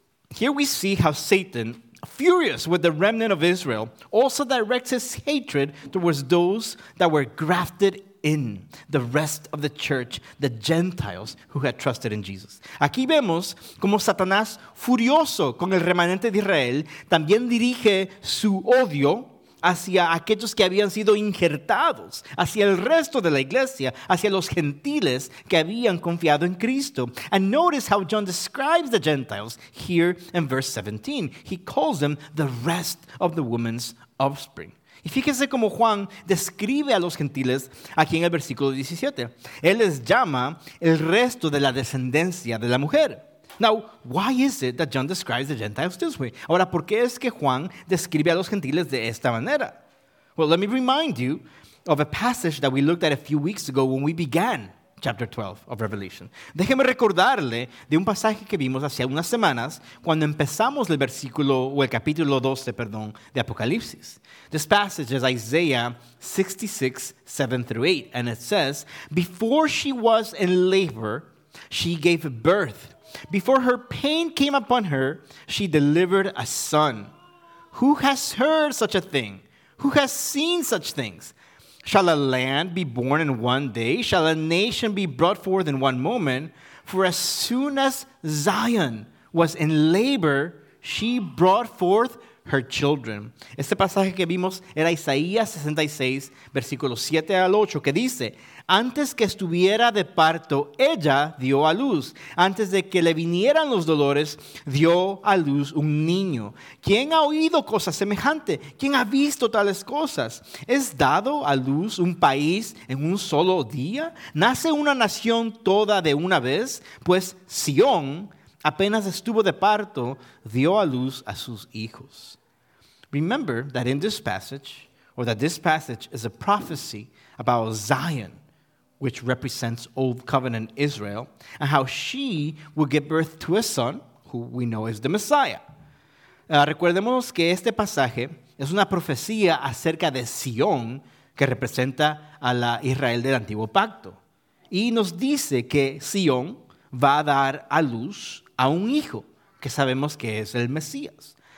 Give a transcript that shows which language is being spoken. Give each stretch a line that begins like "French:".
English: Here we see how Satan, furious with the remnant of Israel, also directs his hatred towards those that were grafted in, the rest of the church, the Gentiles who had trusted in Jesus.
Spanish: Aquí vemos cómo Satanás, furioso con el remanente de Israel, también dirige su odio hacia aquellos que habían sido injertados, hacia el resto de la iglesia, hacia los gentiles que habían confiado en Cristo.
English: And notice how John describes the Gentiles here in verse 17. He calls them the rest of the woman's offspring.
Spanish: Y fíjense cómo Juan describe a los gentiles aquí en el versículo 17. Él les llama el resto de la descendencia de la mujer.
English: Now, why is it that John describes the Gentiles this way?
Spanish: Ahora, ¿por qué es que Juan describe a los gentiles de esta manera?
English: Well, let me remind you of a passage that we looked at a few weeks ago when we began Chapter 12 of Revelation.
Spanish: Déjeme recordarle de un pasaje que vimos hace unas semanas cuando empezamos el versículo o el capítulo 12, perdón, de Apocalipsis.
English: This passage is Isaiah 66, 7 through 8, and it says, "Before she was in labor, she gave birth. Before her pain came upon her, she delivered a son. Who has heard such a thing? Who has seen such things? Shall a land be born in one day? Shall a nation be brought forth in one moment? For as soon as Zion was in labor, she brought forth her children."
Spanish: Este pasaje que vimos era Isaías 66, versículos 7 al 8, que dice, "Antes que estuviera de parto, ella dio a luz. Antes de que le vinieran los dolores, dio a luz un niño. ¿Quién ha oído cosa semejante? ¿Quién ha visto tales cosas? ¿Es dado a luz un país en un solo día? ¿Nace una nación toda de una vez? Pues Sion, apenas estuvo de parto, dio a luz a sus hijos."
English: Remember that in this passage, or that this passage is a prophecy about Zion, which represents Old Covenant Israel, and how she will give birth to a son, who we know is the Messiah.
Spanish: Recordemos que este pasaje es una profecía acerca de Sion, que representa a la Israel del Antiguo Pacto. Y nos dice que Sion va a dar a luz a un hijo, que sabemos que es el Mesías.